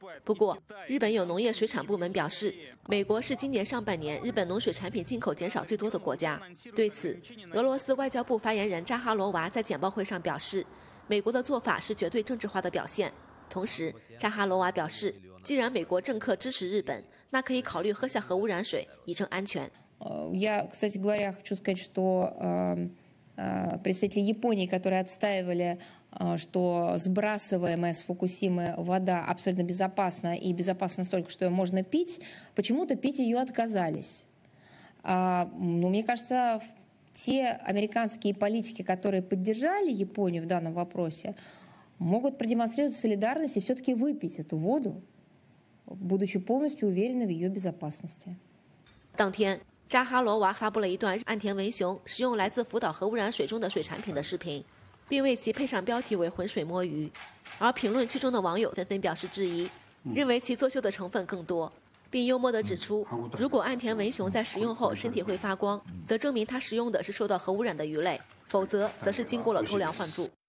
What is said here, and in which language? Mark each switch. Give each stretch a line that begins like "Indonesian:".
Chinese: 不过，日本有农业水产部门表示，美国是今年上半年日本农水产品进口减少最多的国家。对此，俄罗斯外交部发言人扎哈罗娃在简报会上表示，美国的做法是绝对政治化的表现。同时，扎哈罗娃表示，既然美国政客支持日本，那可以考虑喝下核污染水，以证安全。
Russian: Я, кстати говоря, хочу сказать, что представители Японии, которые отстаивали, что сбрасываемая с Фукусимы вода абсолютно безопасна и безопасна столько, что ее можно пить, почему-то пить ее отказались. Мне кажется, те американские политики, которые поддержали Японию в данном вопросе, могут продемонстрировать солидарность и все-таки выпить эту воду, будучи полностью уверены в ее безопасности.
Chinese: 当天，扎哈罗娃发布了一段岸田文雄使用来自福岛核污染水中的水产品的视频，并为其配上标题为“浑水摸鱼”。而评论区中的网友纷纷表示质疑，认为其作秀的成分更多，并幽默地指出，如果岸田文雄在食用后身体会发光，则证明他食用的是受到核污染的鱼类；否则，则是经过了偷梁换柱。